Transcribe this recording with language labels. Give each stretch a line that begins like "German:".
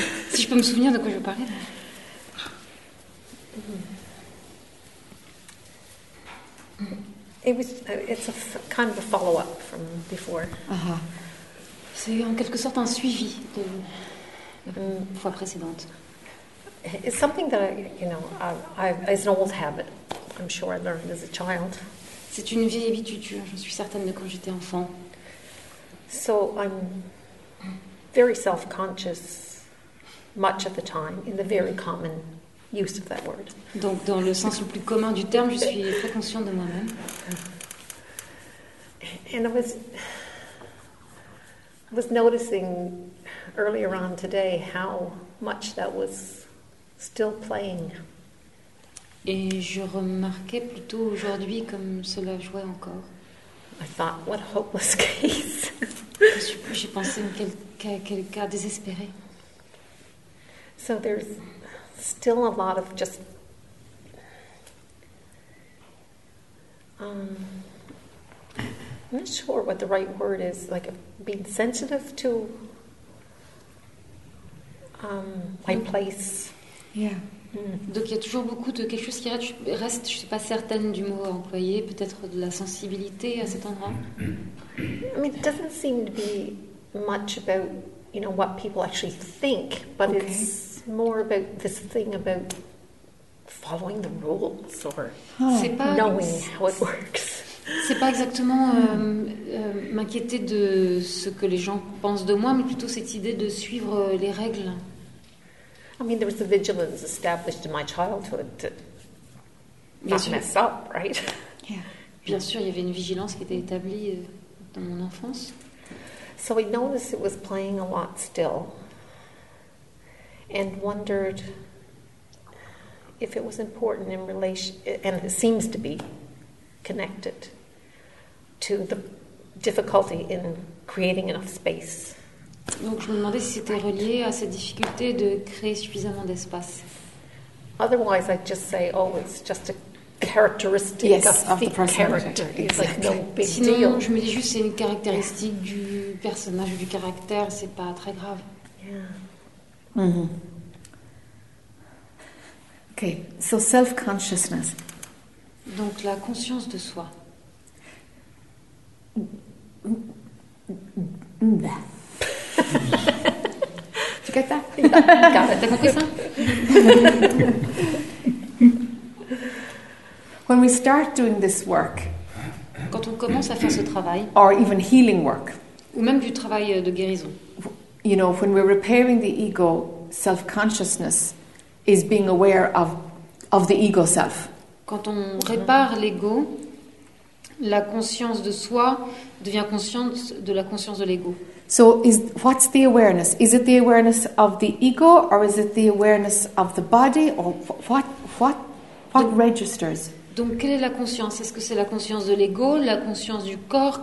French: Si je peux me souvenir de quoi je parlais.
English: It was, it's a kind of a follow-up from before. Uh-huh.
French: C'est en quelque sorte un suivi de la fois précédente.
English: It's something that, it's an old habit, I'm sure I learned as a child.
French: C'est une vieille habitude, j'en suis certaine, de quand j'étais enfant.
English: So I'm very self-conscious much of the time in the very common use of that word.
French: Donc dans le sens le plus commun du terme, je suis très consciente de moi-même.
English: And I was noticing earlier on today how much that was still playing.
French: Et je remarquais plutôt aujourd'hui comme cela jouait encore.
English: I thought, what a hopeless case.
French: J'ai pensé à quel cas désespéré.
English: So there's still a lot of just I'm not sure what the right word is, like being sensitive to my place. Yeah.
French: Donc il y a toujours beaucoup de quelque chose qui reste, je ne suis pas certaine du mot employé, peut-être de la sensibilité à cet endroit.
English: I mean, it doesn't seem to be much about, you know, what people actually think, but okay. It's more about this thing about following the rules or knowing how it works.
French: C'est pas exactement m'inquiéter de ce que les gens pensent de moi, mais plutôt cette idée de suivre les règles.
English: I mean, there was a vigilance established in my childhood to not mess up, right? Yeah.
French: Bien sûr, il y avait une vigilance qui était établie dans mon enfance.
English: So I noticed it was playing a lot still, and wondered if it was important in relation, and it seems to be connected to the difficulty in creating enough space.
French: Donc je me demandais si c'était relié à cette difficulté de créer suffisamment d'espace.
English: Otherwise, I'd just say, oh, it's just a characteristic of the character. It's like no big deal.
French: Sinon, je me dis juste, c'est une caractéristique du personnage, du caractère. C'est pas très grave.
English: Yeah. Mm-hmm. Okay. So self-consciousness.
French: Donc la conscience de soi. Tu captes ça? T'as compris ça?
English: When we start doing this work,
French: quand on commence à faire ce travail,
English: or even healing work,
French: ou même du travail de guérison,
English: you know, when we're repairing the ego, self-consciousness is being aware of the ego self.
French: Quand on répare l'ego, la conscience de soi devient consciente de la conscience de l'ego.
English: So is what's the awareness? Is it the awareness of the ego, or is it the awareness of the body, or what donc, registers?
French: Donc quelle est la conscience? Est-ce que c'est la conscience de l'ego, la conscience du corps?